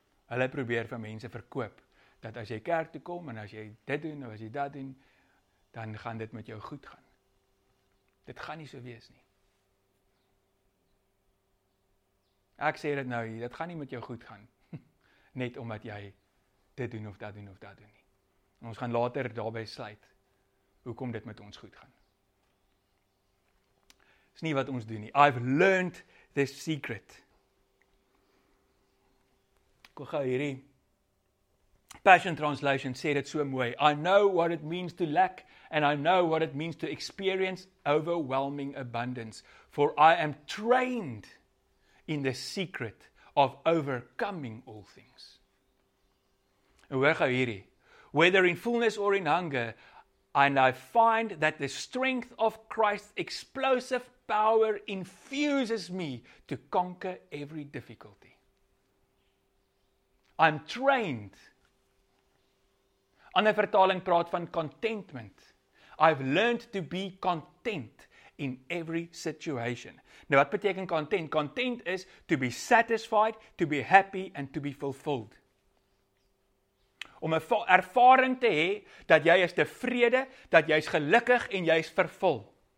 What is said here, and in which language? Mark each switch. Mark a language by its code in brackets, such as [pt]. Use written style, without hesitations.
[af] Hulle probeer vir mense verkoop dat as jy kerk toe kom en as jy dit doen of as jy dat doen, dan gaan dit met jou goed gaan. Dit gaan nie so wees nie. Ek sê dit nou hier, dit gaan nie met jou goed gaan net omdat jy dit doen of dat doen of dat doen nie. Ons gaan later daarby sluit hoekom dit met ons goed gaan. Dis nie wat ons doen nie. [en] I've learned this secret. [af] Ek wil gou hierdie Passion Translation sê dit so mooi. [en] I know what it means to lack and I know what it means to experience overwhelming abundance. For I am trained in the secret of overcoming all things. [af] En hoor gou hierdie. [en] Whether in fullness or in hunger, and I find that the strength of Christ's explosive power infuses me to conquer every difficulty. I'm trained. [af] Ander vertaling praat van contentment. [en] I've learned to be content in every situation. [af] Nou wat beteken content? [en] Content is to be satisfied, to be happy and to be fulfilled. [af] Om 'n ervaring te hê dat jy is tevrede, dat jy is gelukkig en jy is vervul.